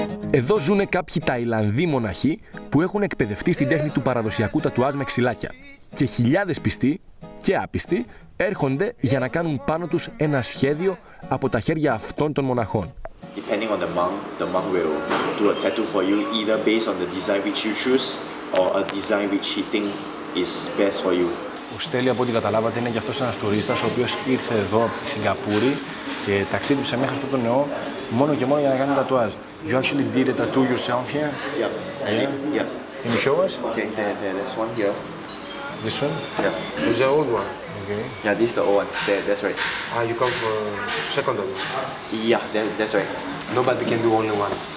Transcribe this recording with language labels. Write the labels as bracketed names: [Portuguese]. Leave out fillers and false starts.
[Greek] Εδώ ζουν κάποιοι Ταϊλανδοί μοναχοί που έχουν εκπαιδευτεί στην τέχνη του παραδοσιακού τατουάζ με ξυλάκια. Και χιλιάδες πιστοί και άπιστοι έρχονται για να κάνουν πάνω τους ένα σχέδιο από τα χέρια αυτών των μοναχών. [English] Depending on the monk will do a tattoo for you either based on the design which you choose or a design which he thinks is best for you. [Greek] Ο Στέλιος, από ό,τι καταλάβατε, είναι και αυτός ένας τουρίστας ο οποίος ήρθε εδώ από τη Σιγκαπούρη και ταξίδεψε μέχρι αυτό το νεό μόνο και μόνο για να κάνει τατουάζ. [English] You actually did a tattoo yourself here? Yeah. Yeah. Yeah. Can you show us? Okay, this one here. This one? Yeah. This is the old one. Okay. Yeah, this is the old one. That's right. Ah, you come from second one? Yeah, that's right. Nobody can do only one.